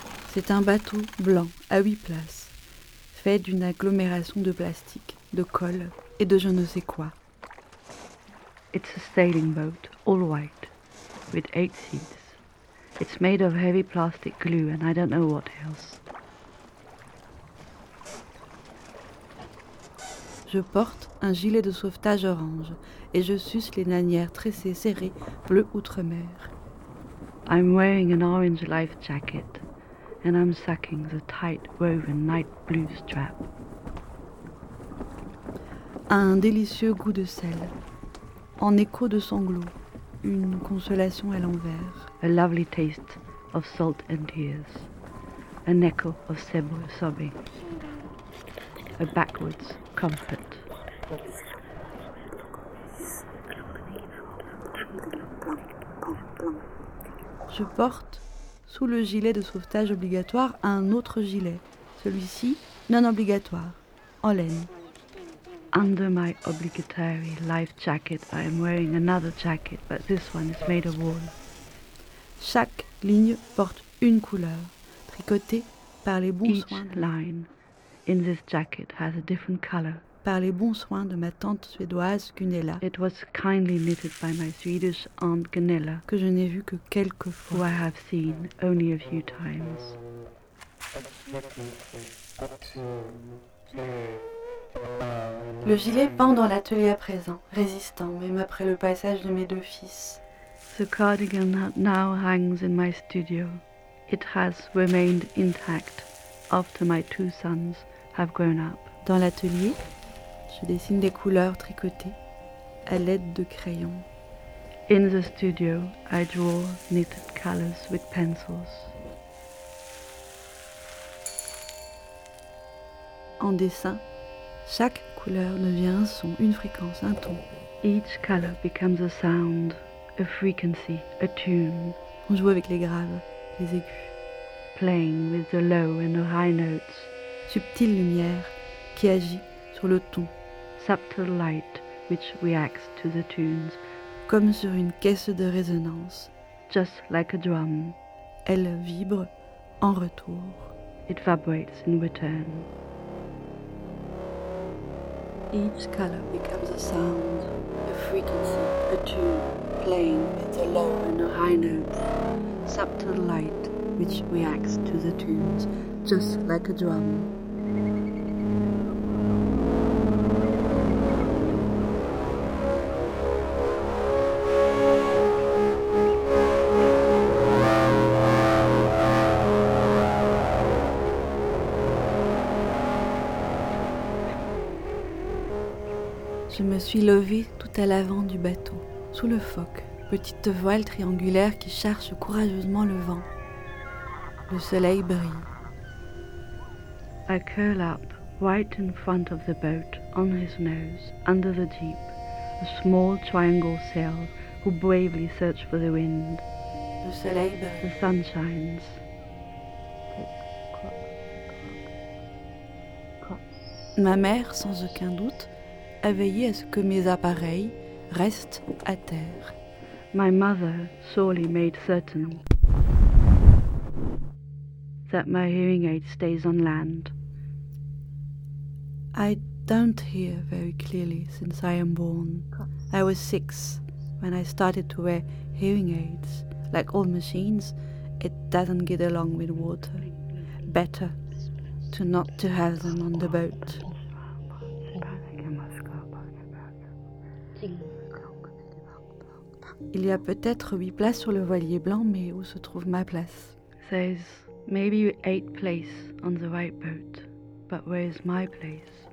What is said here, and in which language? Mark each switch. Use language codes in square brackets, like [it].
[fr] C'est un bateau blanc, à 8 places, fait d'une agglomération de plastique, de colle et de je ne sais quoi. [en] It's a sailing boat, all white, with 8 seats. It's made of heavy plastic glue and I don't know what else. [fr] Je porte un gilet de sauvetage orange et je suce les nanières tressées serrées bleu outre-mer. [en] I'm wearing an orange life jacket and I'm sucking the tight woven night blue strap. [fr] Un délicieux goût de sel. En écho de sanglots, une consolation à l'envers. [en] A lovely taste of salt and tears. An echo of sable sobbing. A backwards comfort. [fr] Je porte, sous le gilet de sauvetage obligatoire, un autre gilet. Celui-ci, non obligatoire, en laine. [en] Under my obligatory life jacket, I am wearing another jacket, but this one is made of wool. [fr] Chaque ligne porte une couleur, tricotée par les bons soins. [en] Each line in this jacket has a different color. [fr] Par les bons soins de ma tante suédoise Gunella. [en] It was kindly knitted by my Swedish aunt Gunella. [fr] Que je n'ai vu que quelques fois. [en] Who I have seen only a few times. [fr] Le gilet pend dans l'atelier à présent, résistant, même après le passage de mes deux fils. [en] The cardigan now hangs in my studio. It has remained intact after my two sons have grown up. [fr] Dans l'atelier, je dessine des couleurs tricotées à l'aide de crayons. [en] In the studio, I draw knitted colors with pencils. [fr] En dessin, chaque couleur devient un son, une fréquence, un ton. [en] Each color becomes a sound, a frequency, a tune. [fr] On joue avec les graves, les aigus. [en] Playing with the low and the high notes. [fr] Subtile lumière qui agit sur le ton. [en] Subtle light which reacts to the tunes. [fr] Comme sur une caisse de résonance. [en] Just like a drum. [fr] Elle vibre en retour. [en] It vibrates in return. Each color becomes a sound, a frequency, a tune, playing with the low and the high notes. Subtle light which reacts to the tunes, just like a drum. [fr] Je me suis levée tout à l'avant du bateau, sous le foc, petite voile triangulaire qui cherche courageusement le vent. Le soleil brille. [en] I curl up, right in front of the boat, on his nose, under the deep, a small triangle sail who bravely search for the wind. [fr] Le soleil brille. [en] The sun shines. [fr] Ma mère, sans aucun doute, a veillé à ce que mes appareils restent à terre. [en] My mother sorely made certain that my hearing aid stays on land. I don't hear very clearly since I am born. I was 6 when I started to wear hearing aids. Like all machines, it doesn't get along with water. Better to not to have them on the boat. [fr] Il y a peut-être 8 places sur le voilier blanc, mais où se trouve ma place? [en] There's maybe 8 places on the white boat, but where is my place?